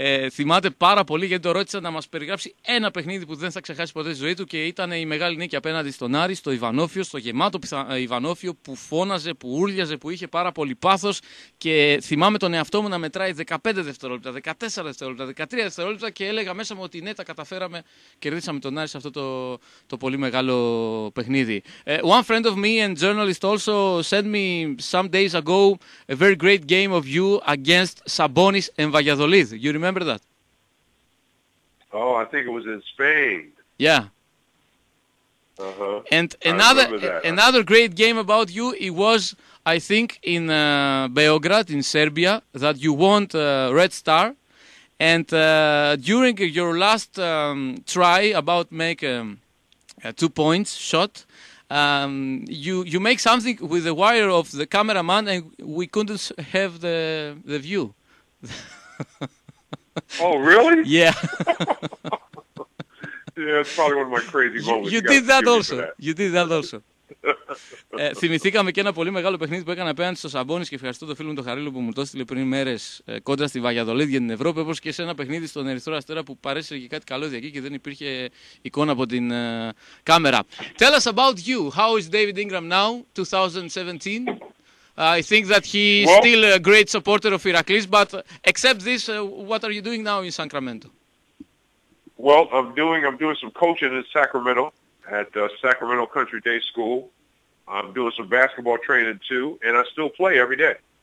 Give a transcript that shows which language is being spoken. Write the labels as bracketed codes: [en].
[el] Θυμάται πάρα πολύ γιατί το ρώτησα να μας περιγράψει ένα παιχνίδι που δεν θα ξεχάσει ποτέ στη ζωή του και ήταν η μεγάλη νίκη απέναντι στον Άρη, στο Ιβανόφιο, στο γεμάτο Ιβανόφιο που φώναζε, που ούρλιαζε, που είχε πάρα πολύ πάθος και θυμάμαι τον εαυτό μου να μετράει 15 δευτερόλεπτα, 14 δευτερόλεπτα, 13 δευτερόλεπτα και έλεγα μέσα μου ότι ναι, τα καταφέραμε, κερδίσαμε τον Άρη σε αυτό το πολύ μεγάλο παιχνίδι. [en] One friend of me and journalist also sent me some days ago a very great game of you against Sabonis and Valladolid. You remember that? Oh, I think it was in Spain. Yeah. Uh-huh. And another great game about you, it was, I think, in Beograd, in Serbia, that you won Red Star. And during your last try about make a 2 points shot, you make something with the wire of the cameraman and we couldn't have the view. Oh, really? Yeah. Yeah, it's probably one of my crazy moments. You did that also. You did that also. [el] Θυμηθήκαμε και ένα πολύ μεγάλο παιχνίδι που έκανα απέναντι στο Σαμπόνις και ευχαριστώ το φίλο μου τον Χαρίλο που μου το έστειλε πριν μέρες κόντρα στη Βαγιαδολίδη για την Ευρώπη, όπως και σε ένα παιχνίδι στον Ερυθρό Αστέρα που παρέσυρε και κάτι καλώδια εκεί και δεν υπήρχε εικόνα από την κάμερα. [en] Tell us about you. How is David Ingram now, 2017? I think that he is still a great supporter of Heracles, but except this, what are you doing now in Sacramento? Well, I'm doing some coaching in Sacramento at Sacramento Country Day School. I'm doing some basketball training too, and I still play every day.